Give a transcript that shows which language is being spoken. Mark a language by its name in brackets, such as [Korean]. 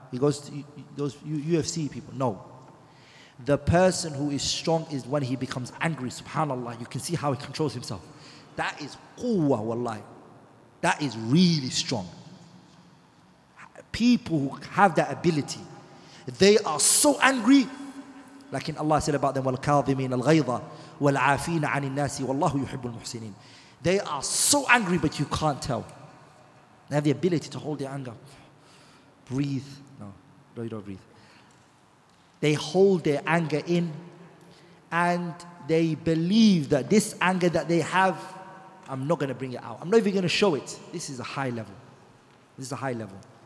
[English] He goes to those UFC people. No. The person who is strong is when he becomes angry. Subhanallah. You can see how he controls himself. That is quwwah, wallahi. That is really strong. People who have that ability, they are so angry. Like in Allah said about them, [Arabic] والكاظمين الغيظة والعافين عن الناس والله يحب المحسنين. [English] They are so angry, but you can't tell. They have the ability to hold their anger. Breathe. No, you don't breathe. They hold their anger in, and they believe that this anger that they have, I'm not going to bring it out. I'm not even going to show it. This is a high level. This is a high level.